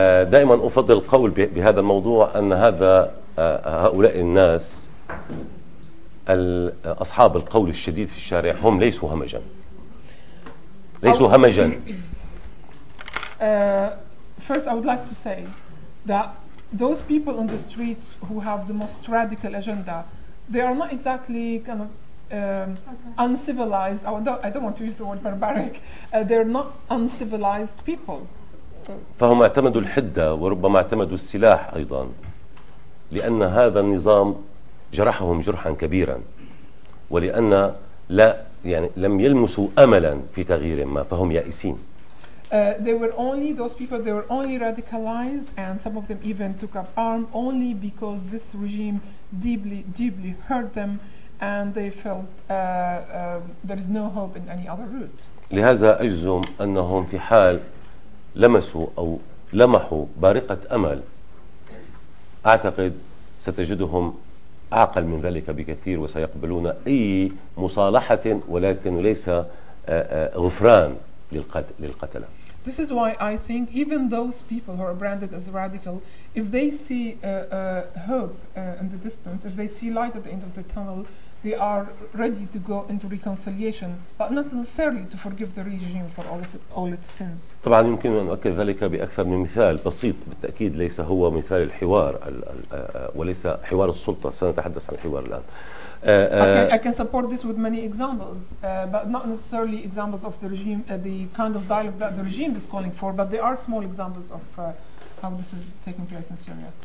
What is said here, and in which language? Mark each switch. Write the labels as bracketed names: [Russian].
[Arabic] دائما أفضل القول بهذا الموضوع أن هذا هؤلاء الناس أصحاب القول الشديد في الشارع هم ليسوا همجا، ليسوا همجا. [English] First I would like to say that those people on the street who have the most radical agenda, they are not exactly kind of uncivilized. I don't want to use the word barbaric. They're not uncivilized people. [Arabic] فهم اعتمدوا الحدة وربما اعتمدوا السلاح أيضا، لأن هذا النظام جرحهم جرحا كبيرا، ولأن لا يعني لم يلمسوا أملا في تغيير ما، فهم يائسين. [English] They were only those people. They were only radicalized, and some of them even took up arms only because this regime deeply hurt them, and they felt there is no hope in any other route. [Arabic] لهذا أجزم أنهم في حال لمسوا أو لمحوا بارقة أمل أعتقد ستجدهم أعقل من ذلك بكثير وسيقبلون أي مصالحة ولكن ليس غفران للقتلة. [English] This is why I think even those people who are branded as radical, if they see hope in the distance, if they see light at the end of the tunnel, they are ready to go into reconciliation, but not necessarily to forgive the regime for all its sins. [Arabic] طبعا يمكن أن أؤكد ذلك بأكثر من مثال بسيط بالتأكيد ليس هو مثال الحوار وليس حوار السلطة سنتحدث عن الحوار الآن. [English] I can support this with many examples, but not necessarily examples of the regime, the kind of dialogue that the regime is calling for, but there are small examples of how this is taking place in Syria.